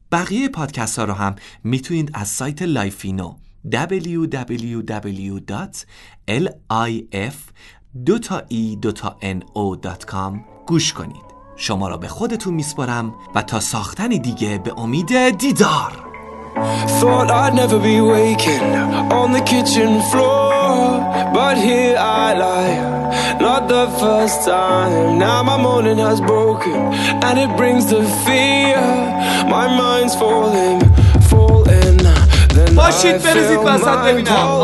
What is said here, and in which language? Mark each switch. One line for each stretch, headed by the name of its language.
Persian: بقیه پادکست ها رو هم میتونید از سایت لایفینو www.lif2e2no.com گوش کنید. شما را به خودتون میسپارم و تا ساختن دیگه به امید دیدار.
English: Thought I'd never be waking on the kitchen floor, but here I lie, not the first time. Now my morning has broken and it brings the fear, my mind's falling, falling.
Persian: Then باشید برزید وسط ببینم.